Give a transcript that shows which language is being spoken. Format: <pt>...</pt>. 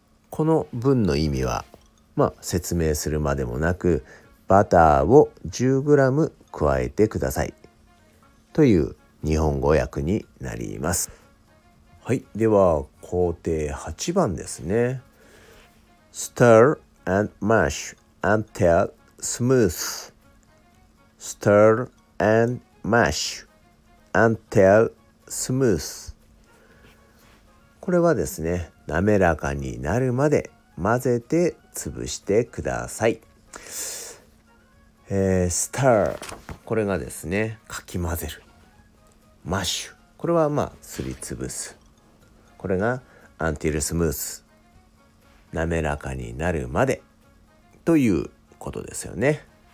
<ja>この文の意味は、説明するまでもなく、バターを 10g 加えてくださいという日本語訳になります。はい、では工程8番ですね。</ja> <en>Stir and mash until smooth. Stir and mash until smooth.</en> <ja>これはですね、滑らかになるまで混ぜて潰してください。 Stir、これがですね、かき混ぜる。 Mash、これはすりつぶす。これが</ja> <en>until smooth、</en> <ja>滑らかになるまでということですよね。</ja>